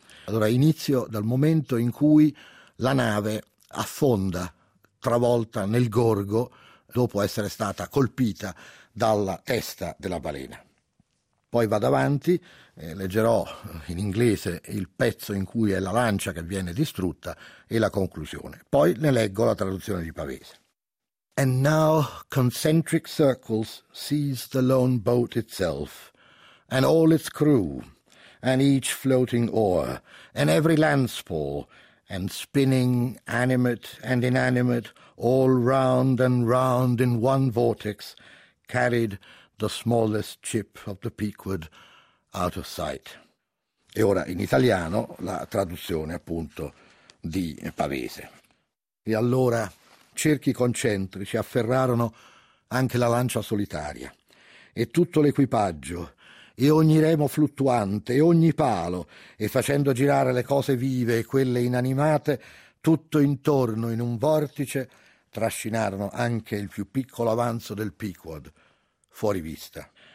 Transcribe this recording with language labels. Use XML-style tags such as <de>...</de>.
<it>Allora inizio dal momento in cui la nave affonda, travolta nel gorgo, dopo essere stata colpita dalla testa della balena. Poi vado avanti, leggerò in inglese il pezzo in cui è la lancia che viene distrutta e la conclusione. Poi ne leggo la traduzione di Pavese.</it> <en>And now concentric circles seize the lone boat itself, and all its crew, and each floating oar, and every landspaw, and spinning animate and inanimate, all round and round in one vortex, carried the smallest chip of the Pequod out of sight.</en> <it>E ora in italiano la traduzione appunto di Pavese. E allora cerchi concentrici afferrarono anche la lancia solitaria e tutto l'equipaggio e ogni remo fluttuante e ogni palo, e facendo girare le cose vive e quelle inanimate tutto intorno in un vortice, trascinarono anche il più piccolo avanzo del Pequod fuori vista.</it>